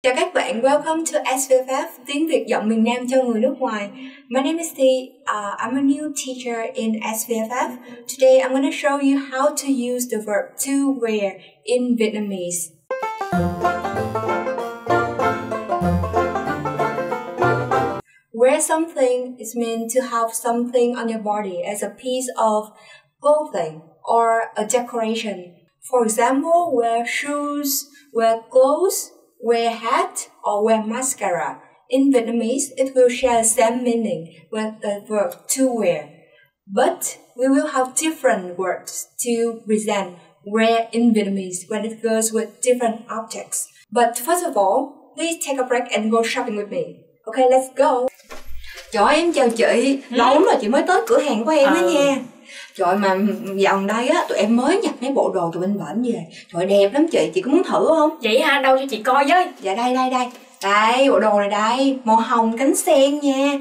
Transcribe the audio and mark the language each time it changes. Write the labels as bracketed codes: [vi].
[vi] Chào các bạn, [en] welcome to SVFF, [vi] tiếng Việt giọng miền Nam cho người nước ngoài. [en] My name is Thi, I'm a new teacher in SVFF. Today I'm going to show you how to use the verb to wear in Vietnamese. Wear something is meant to have something on your body as a piece of clothing or a decoration. For example, wear shoes, wear clothes, wear hat or wear mascara. In Vietnamese, it will share the same meaning with the verb to wear. But we will have different words to represent wear in Vietnamese when it goes with different objects. But first of all, please take a break and go shopping with me. Okay, let's go. [vi] Trời ơi, em chào chị. Lâu lắm rồi chị mới tới cửa hàng của em á nha. Trời mà dạo đây á, tụi em mới nhập mấy bộ đồ từ bên bển về. Trời đẹp lắm chị có muốn thử không? Vậy ha, đâu cho chị coi với. Dạ đây. Đây, bộ đồ này đây, màu hồng cánh sen nha.